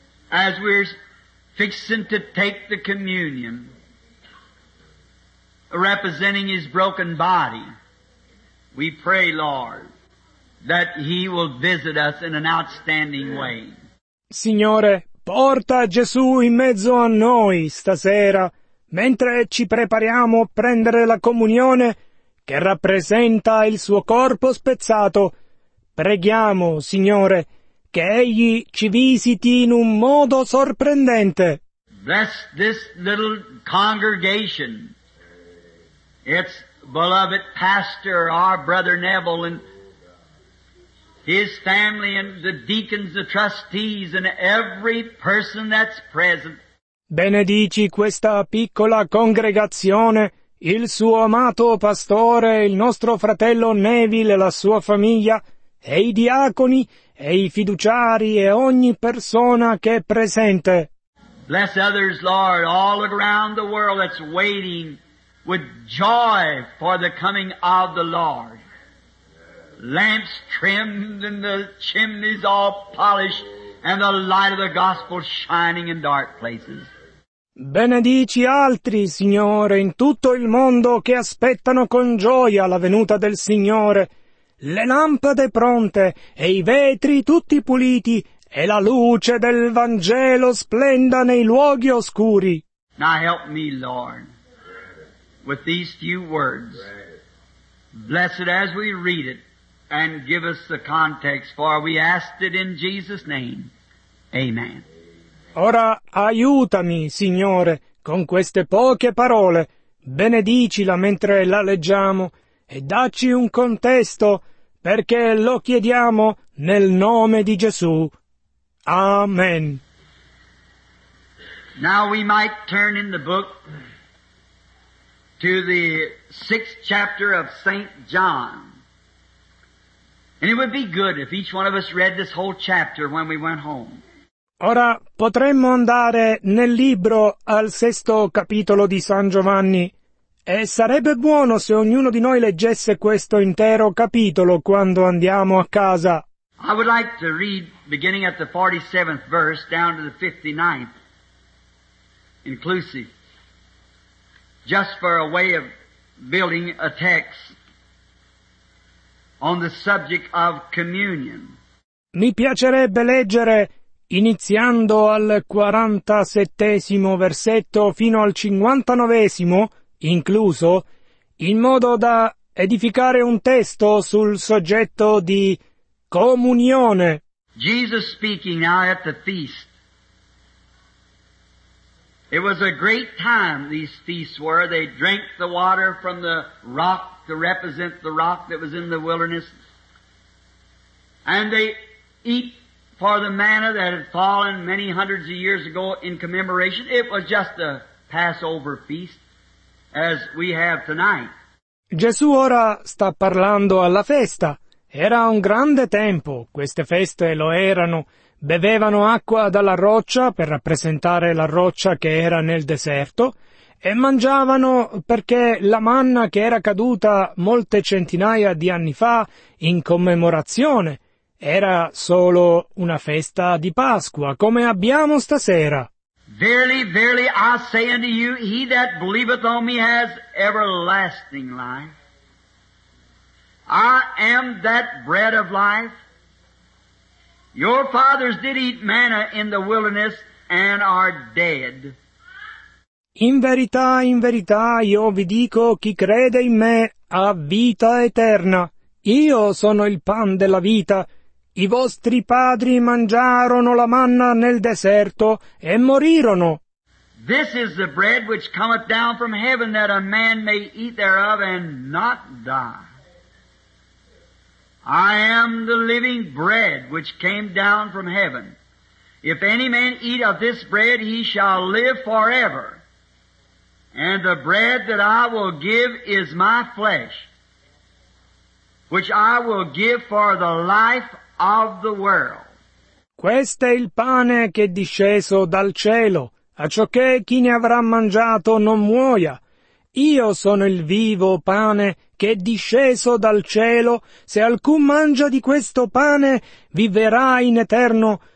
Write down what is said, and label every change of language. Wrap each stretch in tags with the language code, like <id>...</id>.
<en>As we're fixing to take the communion, representing His broken body, we pray, Lord, that He will visit us in an outstanding way.</en> <it>Signore, porta Gesù in mezzo a noi stasera, mentre ci prepariamo a prendere la comunione che rappresenta il suo corpo spezzato. Preghiamo, Signore, che Egli ci visiti in un modo sorprendente.</it> <en>Bless this little congregation. Its beloved pastor, our brother Neville, and his family, and the deacons, the trustees, and every person that's present.</en> <it>Benedici questa piccola congregazione, il suo amato pastore, il nostro fratello Neville e la sua famiglia, e i diaconi, e i fiduciari, e ogni persona che è presente.</it> <en>Bless others, Lord, all around the world that's waiting with joy for the coming of the Lord. Lamps trimmed and the chimneys all polished and the light of the gospel shining in dark places.</en> <it>Benedici altri, Signore, in tutto il mondo che aspettano con gioia la venuta del Signore, le lampade pronte e i vetri tutti puliti e la luce del Vangelo splenda nei luoghi oscuri.</it> <en>Now help me, Lord, with these few words. Bless it as we read it and give us the context, for we asked it in Jesus' name. Amen.</en> <it>Ora aiutami, Signore, con queste poche parole. Benedicila mentre la leggiamo e dacci un contesto, perché lo chiediamo nel nome di Gesù. Amen.</it> <en>Now we might turn in the book to the sixth chapter of St. John. And it would be good if each one of us read this whole chapter when we went home.</en> <it>Ora potremmo andare nel libro al sesto capitolo di San Giovanni, e sarebbe buono se ognuno di noi leggesse questo intero capitolo quando andiamo a casa.</it> <en>I would like to read, beginning at the 47th verse down to the 59th, inclusive, just for a way of building a text on the subject of communion.</en> <it>Mi piacerebbe leggere, iniziando al 47esimo versetto fino al 59esimo, incluso, in modo da edificare un testo sul soggetto di comunione.</it> <en>Jesus speaking now at the feast. It was a great time these feasts were. They drank the water from the rock to represent the rock that was in the wilderness. And they eat for the manna that had fallen many hundreds of years ago in commemoration. It was just a Passover feast, as we have tonight.</en> <it>Gesù ora sta parlando alla festa. Era un grande tempo, queste feste lo erano. Bevevano acqua dalla roccia per rappresentare la roccia che era nel deserto e mangiavano perché la manna che era caduta molte centinaia di anni fa in commemorazione era solo una festa di Pasqua, come abbiamo stasera.</it> <en>Verily, verily, I say unto you, he that believeth on me has everlasting life. I am that bread of life. Your fathers did eat manna in the wilderness and are dead.</en> <it>In verità, io vi dico, chi crede in me ha vita eterna. Io sono il pan della vita. I vostri padri mangiarono la manna nel deserto e morirono.</it> <en>This is the bread which cometh down from heaven, that a man may eat thereof and not die. I am the living bread which came down from heaven. If any man eat of this bread, he shall live forever. And the bread that I will give is my flesh, which I will give for the life of the world.</en> <it>Questo è il pane che è disceso dal cielo, a ciò che chi ne avrà mangiato non muoia. Io sono il vivo pane che è disceso dal cielo. Se alcun mangia di questo pane, vivrà in eterno.</it>